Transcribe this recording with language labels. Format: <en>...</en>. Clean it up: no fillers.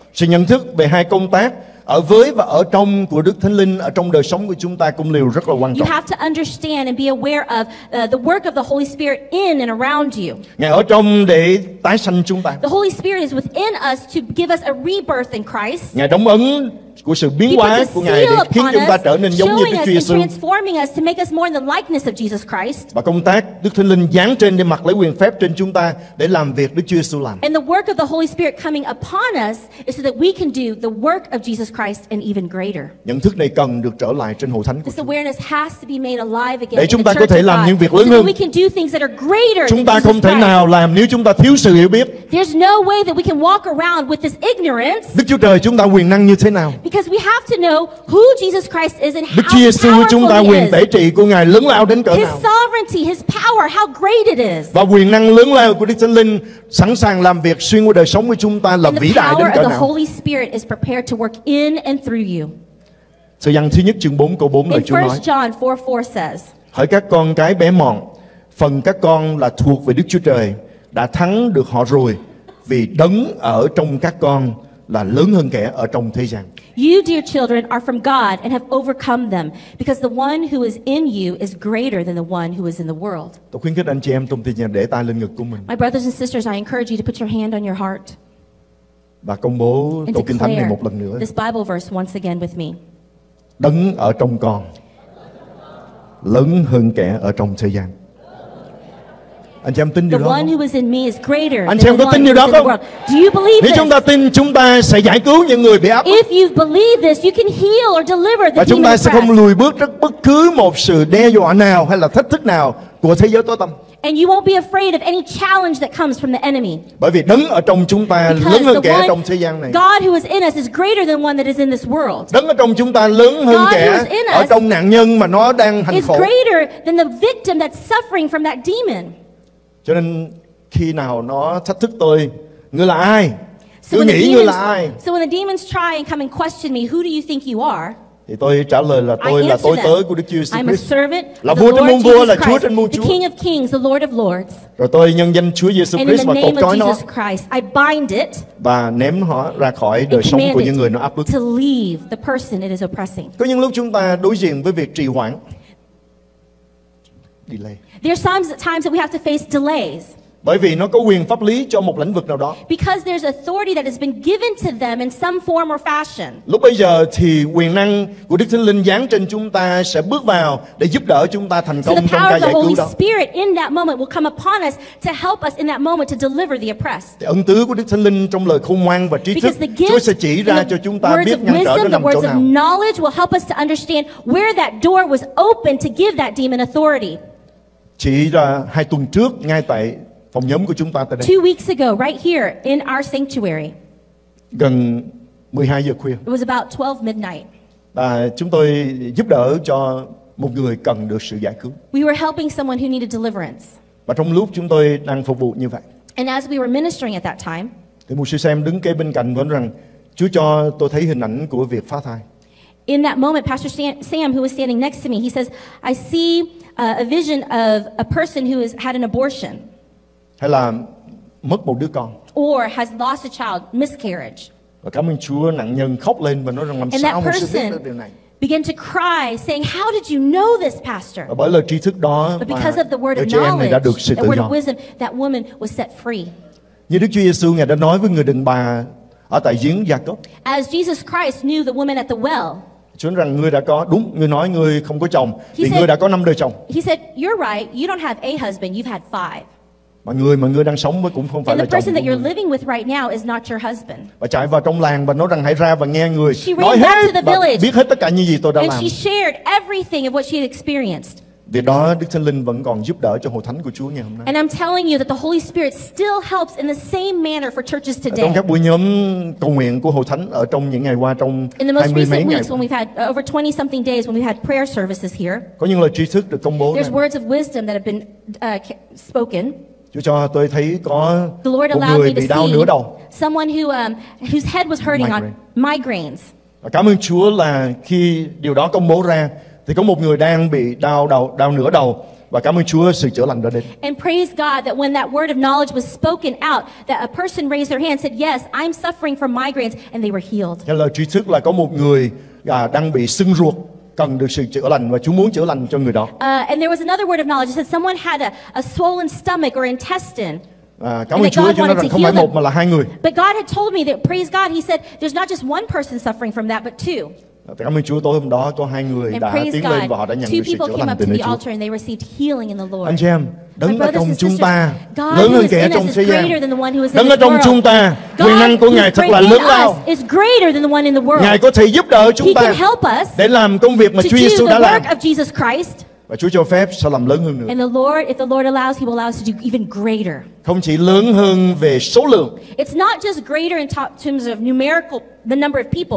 <vi>Sự nhận thức về hai công tác ở với và ở trong của Đức Thánh Linh ở trong đời sống của chúng ta cũng đều rất là quan trọng.</vi> <en>You have to understand and be aware of the work of the Holy Spirit in and around you.</en> <vi>Ngài ở trong để tái sanh chúng ta.</vi> <en>The Holy Spirit is within us to give us a rebirth in Christ.</en> <vi>Ngài đóng ấn của sự biến hóa của Ngài để khiến chúng ta trở nên giống như Đức Chúa Giêsu.</vi> <en>Transforming us to make us more in the likeness of Jesus Christ.</en> <vi>Và công tác Đức Thánh Linh giáng trên để mặc lấy quyền phép trên chúng ta để làm việc Đức Chúa Giêsu làm.</vi> <en>And the work of the Holy Spirit coming upon us is so that we can do the work of Jesus Christ and even greater.</en> <vi>Nhận thức này cần được trở lại trên hội thánh của chúng ta.</vi> <en>This awareness has to be made alive again.</en> <vi>Để chúng ta có thể làm những việc lớn hơn.</vi> <en>We can do things that are greater.</en> <vi>Chúng ta không thể nào làm nếu chúng ta thiếu sự hiểu biết.</vi> <en>There's no way that we can walk around with this ignorance.</en> <vi>Đức Chúa Trời chúng ta quyền năng như thế nào?</vi> <en>Because we have to know who Jesus Christ is and how</en> <vi>Đức Chúa Giêsu chúng ta quyền tể trị của Ngài lớn lao đến cỡ nào?</vi> <en>His sovereignty, his power, how great it is.</en> <vi>Và quyền năng lớn lao của Đức Thánh Linh sẵn sàng làm việc xuyên qua đời sống của chúng ta là vĩ đại đến cỡ nào?</vi> <en>The Holy Spirit is prepared to work in and through you.</en> <vi>Sự Giăng thứ nhất chương 4 câu 4 lời Chúa nói.</vi> <en>John 4:4 says.</en> <vi>Hỡi các con cái bé mọn, phần các con là thuộc về Đức Chúa Trời, đã thắng được họ rồi, vì đấng ở trong các con là lớn hơn kẻ ở trong thế gian.</vi> <en>You, dear children, are from God and have overcome them, because the one who is in you is greater than the one who is in the world.</en> <vi>Tôi khuyến khích anh chị em trong thiên nhiên để tay lên ngực của mình.</vi> <en>My brothers and sisters, I encourage you to put your hand on your heart.</en> <vi>Và công bố câu kinh thánh này một lần nữa.</vi> <en>This Bible verse once again with me.</en> <vi>Đấng ở trong con lớn hơn kẻ ở trong thế gian. Anh chị em tin điều</vi> <en>the</en> <vi>đó</vi> <en>one</en> <vi>không?</vi> <en>Who is in me is greater.</en> <vi>Anh chị em có tin điều đó không?</vi> <en>Do you believe this?</en> <vi>Nếu chúng ta tin, chúng ta sẽ giải cứu những người bị áp.</vi> <en>If you believe this, you can heal or deliver the demon.</en> <vi>Và chúng ta sẽ không lùi bước trước bất cứ một sự đe dọa nào hay là thách thức nào của thế giới tối tăm.</vi> <en>And you won't be afraid of any challenge that comes from the enemy.</en> <vi>Bởi vì đấng ở trong chúng ta lớn hơn kẻ trong thế gian này.</vi> <en>God who is in us is greater than one that is in this world.</en> <vi>Đấng ở trong chúng ta lớn hơn kẻ ở trong nạn nhân mà nó đang hành khổ.</vi> <en>Is greater than the victim that's suffering from that demon.</en> <vi>Cho nên khi nào nó thách thức tôi, ngươi là ai? Cứ nghĩ ngươi là ai?</vi> <en>So when the demons try and come and question me, who do you think you are?</en> <vi>Thì tôi trả lời là tôi là tôi tớ của Đức Chúa Jesus Christ.</vi> <en>I'm a servant,</en> <vi>là vua trên muôn vua, là Chúa trên muôn Chúa.</vi> <en>The King of Kings, the Lord of Lords.</en> <vi>Rồi tôi nhân danh Chúa Giêsu Christ và cột trói nó.</vi> <en>I bind it.</en> <vi>Và ném họ ra khỏi đời sống của những người nó áp bức.</vi> <en>To leave the person it is oppressing.</en> <vi>Có những lúc chúng ta đối diện với việc trì hoãn.</vi> <en>Delay. There's times that we have to face delays.</en> <vi>Bởi vì nó có quyền pháp lý cho một lĩnh vực nào đó.</vi> <en>Because there's authority that has been given to them in some form or fashion.</en> <vi>Lúc bây giờ thì quyền năng của Đức Thánh Linh giáng trên chúng ta sẽ bước vào để giúp đỡ chúng ta thành công trong ca giải cứu đó.</vi> <en>The Holy Spirit in that moment will come upon us to help us in that moment to deliver the oppressed.</en> <vi>Thì ân tứ của Đức Thánh Linh trong lời khôn ngoan và trí thức, Chúa sẽ chỉ ra cho chúng ta biết ngăn trở nó nằm chỗ nào.</vi> <en>Words of knowledge will help us to understand where that door was open to give that demon authority.</en> <vi>Chỉ ra hai tuần trước ngay tại phòng nhóm của chúng ta tại đây.</vi> <en>2 weeks ago, right here in our sanctuary.</en> <vi>Gần 12 giờ khuya.</vi> <en>It was about 12 midnight.</en> <vi>Và chúng tôi giúp đỡ cho một người cần được sự giải cứu.</vi> <en>We were helping someone who needed deliverance.</en> <vi>Và trong lúc chúng tôi đang phục vụ như vậy.</vi> <en>And as we were ministering at that time.</en> <vi>Thì mục sư Sam đứng kế bên cạnh và nói rằng, Chúa cho tôi thấy hình ảnh của việc phá thai.</vi> <en>In that moment, Pastor Sam, who was standing next to me, he says, I see a vision of a person who has had an abortion.</en> <vi>Hay là mất một đứa con.</vi> <en>Or has lost a child, miscarriage.</en> <vi>Và cảm ơn Chúa, nạn nhân khóc lên và nói rằng làm</vi> <en>and</en> <vi>sao mình sẽ biết được điều này.</vi> <en>Began to cry, saying, how did you know this, pastor?</en> <vi>Và bởi lời tri thức đó mà được sự tự do.</vi> <en>Wisdom, that woman was set free.</en> <vi>Như Đức Chúa Giêsu Ngài đã nói với người đàn bà ở tại giếng Gia-cốp.</vi> <en>As Jesus Christ knew the woman at the well.</en> <vi>Chúa nói rằng ngươi đã có, đúng, ngươi nói ngươi không có chồng, thì ngươi đã có 5 đời chồng.</vi> <en>He said, you're right, you don't have a husband, you've had 5.</en> <vi>Mà người đang sống với cũng không phải là chồng</vi> <en>that you're living with right now is not your husband.</en> <vi>Và chạy vào trong làng và nói rằng hãy ra và nghe người</vi> <en>she</en> <vi>nói hết</vi> <en>the village,</en> <vi>biết hết tất cả những gì tôi đã</vi> <en>and</en> <vi>làm.</vi> <en>She shared everything of what she had experienced.</en> <vi>Việc đó Đức Thánh Linh vẫn còn giúp đỡ cho hội thánh của Chúa ngày hôm nay.</vi> <en>And I'm telling you that the Holy Spirit still helps in the same manner for churches today.</en> <vi>Trong các buổi nhóm cầu nguyện của hội thánh ở trong những ngày qua trong 20 mấy ngày.</vi> <en>When we've had over 20 something days when we had prayer services here.</en> <vi>Có những lời tri thức được công bố.</vi> <en>There's words of wisdom that have been spoken.</en> <vi>Chúa cho tôi thấy có một người bị đau nửa đầu.</vi> <en>Someone who whose head was hurting on migraines.</en> <vi>Cảm ơn Chúa là khi điều đó công bố ra thì có một người đang bị đau nửa đầu và cảm ơn Chúa sự chữa lành đã đến.</vi> <en>And praise God that when that word of knowledge was spoken out that a person raised their hand said yes, I'm suffering from migraines and they were healed.</en> <vi>Theo lời tri thức là có một người đang bị sưng ruột cần được sự chữa lành và Chúa muốn chữa lành cho người đó.</vi> <en>And there was another word of knowledge that someone had a swollen stomach or intestine.</en> <vi>Cảm ơn Chúa, Chúa nói rằng không phải một mà là hai người.</vi> <en>But God had told me that, praise God, he said there's not just one person suffering from that but two.</en> <vi>Cảm ơn Chúa, tối hôm đó có hai người đã tiến lên và họ đã nhận được sự chữa lành từ nơi Chúa.</vi> <en>And they received healing in the Lord.</en> <vi>Anh chị em, đấng ở trong chúng ta lớn hơn kẻ trong thế gian. Đấng ở trong chúng ta, quyền năng của Ngài thật là lớn lao. Ngài có thể giúp đỡ chúng ta để làm công việc mà Chúa Giêsu đã làm. Và Chúa cho phép sẽ làm lớn hơn nữa.</vi> <en>And the Lord, if the Lord allows, he will allow us to do even greater.</en> <vi>Không chỉ lớn hơn về số lượng.</vi> <en>It's not just greater in terms of numerical, the number of people.</en>